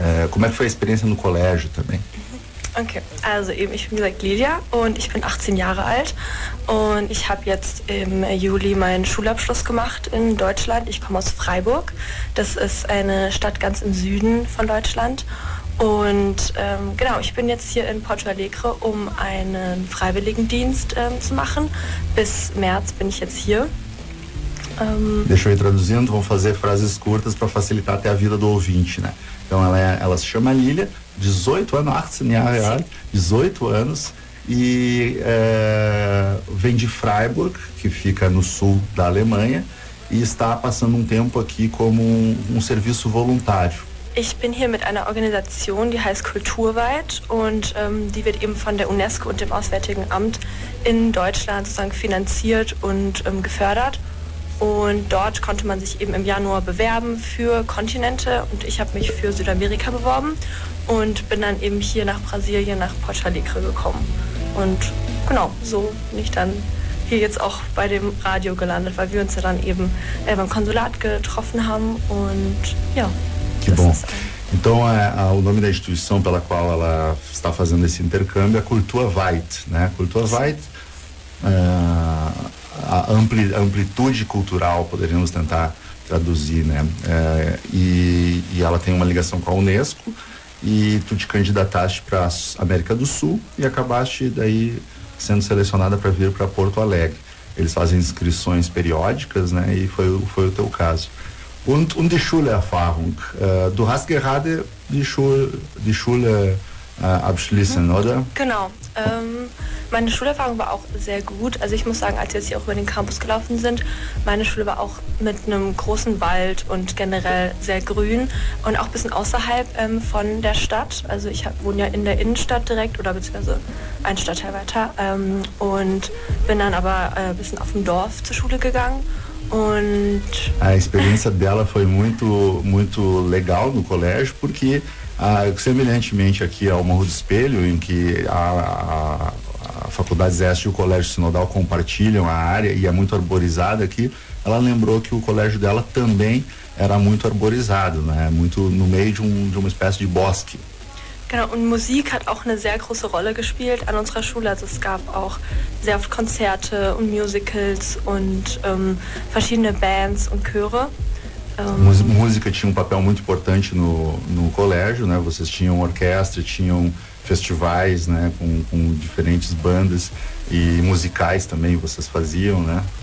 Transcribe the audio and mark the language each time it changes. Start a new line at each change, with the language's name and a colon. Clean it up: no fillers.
Portuguese: Como é que foi a experiência no colégio também?
German: Ok, also eben, ich bin wie gesagt Lilia und ich bin 18 Jahre alt und ich habe jetzt im Juli meinen Schulabschluss gemacht in Deutschland. Ich komme aus Freiburg, das ist eine Stadt ganz im Süden von Deutschland und genau, ich bin jetzt hier in Porto Alegre, um einen Freiwilligendienst zu machen. Bis März bin ich jetzt hier.
Portuguese: Deixa eu ir traduzindo, vou fazer frases curtas para facilitar até a vida do ouvinte, né? Então ela se chama Lilia, 18 anos, 18 anos, 18 anos, e vem de Freiburg, que fica no sul da Alemanha, e está passando um tempo aqui como um serviço voluntário.
German: Ich bin hier mit einer Organisation, die heißt Kulturweit, und die wird eben von der UNESCO und dem Auswärtigen Amt in Deutschland sozusagen finanziert und gefördert. Und dort konnte man sich eben im Januar bewerben für Kontinente und ich habe mich für Südamerika beworben und bin dann eben hier nach Brasilien, nach Porto Alegre gekommen. Und genau, so bin ich dann hier jetzt auch bei dem Radio gelandet, weil wir uns ja dann eben beim Konsulat getroffen haben und ja.
Portuguese: Que bom. Então, o nome da instituição pela qual ela está fazendo esse intercâmbio é Kulturweit, né? Kulturweit. A amplitude cultural, poderíamos tentar traduzir, né? E ela tem uma ligação com a UNESCO, e tu te candidataste para a América do Sul e acabaste daí sendo selecionada para vir para Porto Alegre. Eles fazem inscrições periódicas, né? E foi o teu caso.
German: Und die Schulerfahrung. Du hast gerade die Schule abschließen, oder? Genau. Meine Schulerfahrung war auch sehr gut. Also ich muss sagen, als wir jetzt hier auch über den Campus gelaufen sind, meine Schule war auch mit einem großen Wald und generell sehr grün und auch ein bisschen außerhalb von der Stadt. Also ich wohne ja in der Innenstadt direkt oder beziehungsweise ein Stadtteil weiter und bin dann aber ein bisschen auf dem Dorf zur Schule gegangen. Und
Portuguese: a experiência dela foi muito, muito legal no colégio, porque semelhantemente aqui ao Morro do Espelho, em que a Faculdade Zeste e o Colégio Sinodal compartilham a área e é muito arborizada aqui, ela lembrou que o colégio dela também era muito arborizado, né? Muito no meio de uma espécie de bosque.
German: Genau, und Musik hat auch eine sehr große Rolle gespielt an unserer Schule. Also es gab auch sehr oft Konzerte und Musicals und verschiedene Bands und Chöre.
Portuguese: Música tinha um papel muito importante no colégio, né? Vocês tinham orquestra, tinham festivais, né? Com diferentes bandas e musicais também vocês faziam, né?